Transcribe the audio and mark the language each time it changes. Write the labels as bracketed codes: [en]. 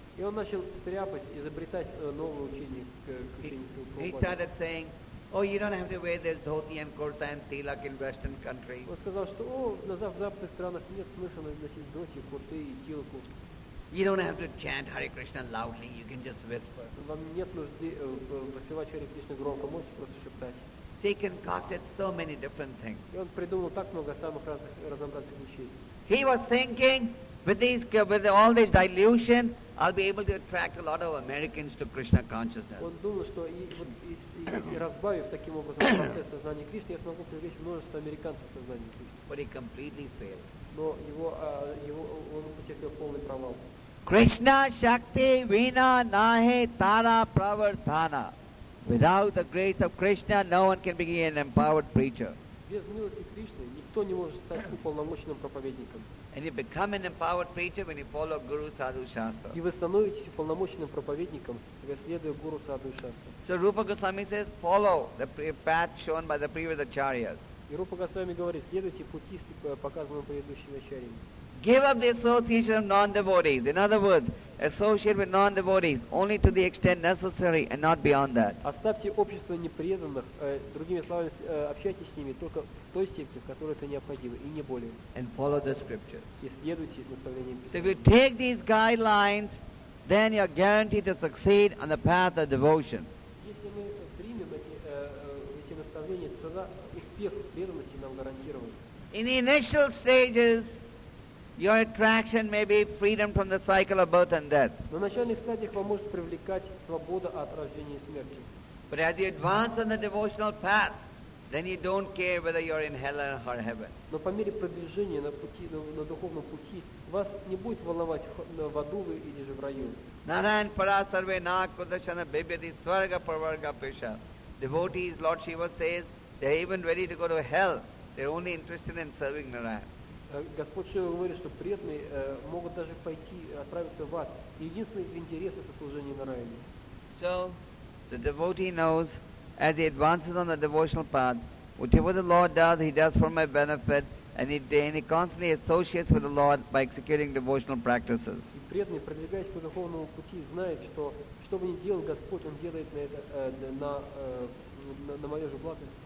[ru] И он начал стряпать, изобретать новое учение к учению. [en] He started saying, "Oh, you don't have to wear this dhoti and kurta and tilak in Western countries." [ru] Он сказал, что, о, в западных странах нет смысла носить дхоти, курты и тилку. [en] You don't have to chant Hare Krishna loudly. You can just whisper. [ru] Вам нет нужды воспевать Hare Krishna громко, можете просто шептать. [en] So he concocted so many different things. [ru] И он придумал так много самых разнообразных вещей. [en] He was thinking, with all this dilution, I'll be able to attract a lot of Americans to Krishna consciousness. [ru] Он думал, что и разбавив таким образом процесс сознания Кришны, я смогу привлечь множество американцев к сознанию Кришны. [en] But he completely failed. [ru] Но он потерпел полный провал. [bn] Krishna Shakti Vina Nahe Tara Pravartana. [en] Without the grace of Krishna, no one can be an empowered preacher. [ru] Без милости Кришны никто не может стать уполномоченным проповедником. [en] And you become an empowered preacher when you follow Guru Sadhu Shastra. [ru] И вы становитесь уполномоченным проповедником, когда следуете Гуру Саду Шастре. [en] So Rupa Goswami says, follow the path shown by the previous acharyas. [ru] И Рупа Госвами говорит, следуйте пути, показанному предыдущими ачарьями. [en] Give up the association of non-devotees. In other words, associate with non-devotees only to the extent necessary and not beyond that. [ru] Оставьте общество непреданных. Другими словами, общайтесь с ними только в той степени, в которой это необходимо, и не более. [en] And follow the scriptures. [ru] И следуйте наставлениям Писания. [en] So if you take these guidelines, then you're guaranteed to succeed on the path of devotion. [ru] Если мы примем эти наставления, тогда успех преданности нам гарантирован. [en] In the initial stages, your attraction may be freedom from the cycle of birth and death. [ru] На начальных стадиях вам может привлекать свобода от рождения и смерти. [en] But as you advance on the devotional path, then you don't care whether you're in hell or heaven. [ru] Но по мере продвижения на пути, на духовном пути, вас не будет волновать, в аду вы или же в раю. [sa] Narayan para sarve nakudashana bibhyati swarga parvarga pesha. [en] Devotees, Lord Shiva says, they're even ready to go to hell. They're only interested in serving Narayan. [ru] Господь Шива говорит, что преданные могут даже пойти, отправиться в ад. Единственный их интерес – это служение на райне. [en] So, the devotee knows, as he advances on the devotional path, whatever the Lord does, he does for my benefit, and he constantly associates with the Lord by executing devotional practices. [ru] И преданный, продвигаясь по духовному пути, знает, что, что бы ни делал Господь, он делает на это, на мое же благо.